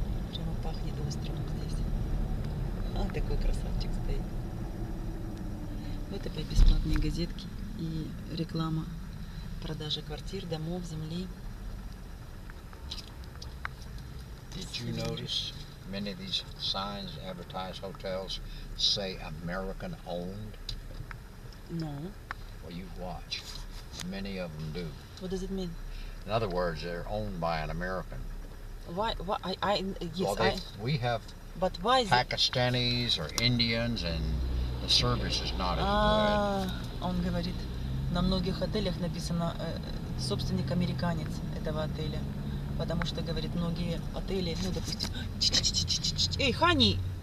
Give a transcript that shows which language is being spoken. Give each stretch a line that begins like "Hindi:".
Russian: Прямо пахнет островом здесь. такой красавчик стоит. Вот опять бесплатные газетки и реклама продажи квартир, домов, земли.
English: Did you notice many of these signs advertise hotels say American owned? No. Well, you watch. Many of them do. What does it mean? In other words, they're owned by an American. Why Pakistanis or Indians, and the service is not as good.
Russian: Он говорит, на многих отелях написано собственник американец этого отеля, потому что говорит многие отели, ну допустим, эй, Хани.